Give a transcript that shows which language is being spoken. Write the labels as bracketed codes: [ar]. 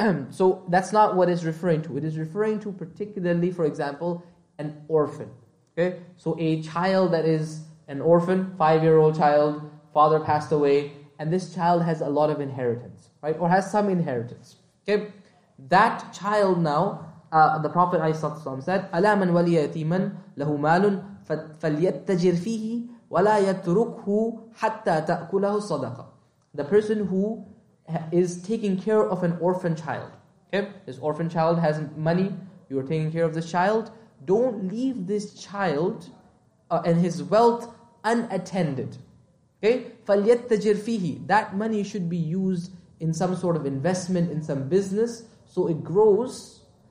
[en] So that's not what it's referring to. It is referring to particularly, for example, an orphan. Okay? So a child that is an orphan, 5-year-old child, father passed away, and this child has a lot of inheritance. Right? Or has some inheritance. Okay? That child now, the Prophet ﷺ said, [ar] أَلَا مَنْ وَلِيَ يَتِيمًا لَهُ مَالٌ فَلْيَتَّجِرْ فِيهِ وَلَا يَتْرُكْهُ حَتَّى تَأْكُلَهُ الصَّدَقَةً. [en] The person who is taking care of an orphan child. Okay? This orphan child has money. You are taking care of this child. Don't leave this child and his wealth unattended. Okay? [ar] فَلْيَتَّجِرْ فِيهِ. [en] That money should be used in some sort of investment, in some business, so it grows.